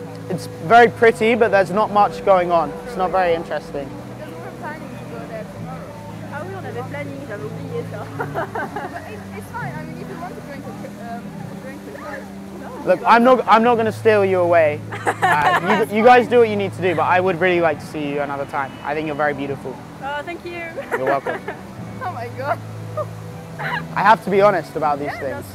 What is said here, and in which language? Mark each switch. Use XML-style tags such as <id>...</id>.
<en>It's very pretty, but there's not much going on. It's not very interesting. Because we're planning to go there tomorrow.</en> <fr>Ah, oui, on avait planning, j'avais oublié ça.</fr> <en>It's fine. I mean, if you want to drink a drink, no. Look, I'm not going to steal you away. you guys do what you need to do, but I would really like to see you another time. I think you're very beautiful. Oh, thank you. You're welcome. Oh my god. I have to be honest about these things.</en>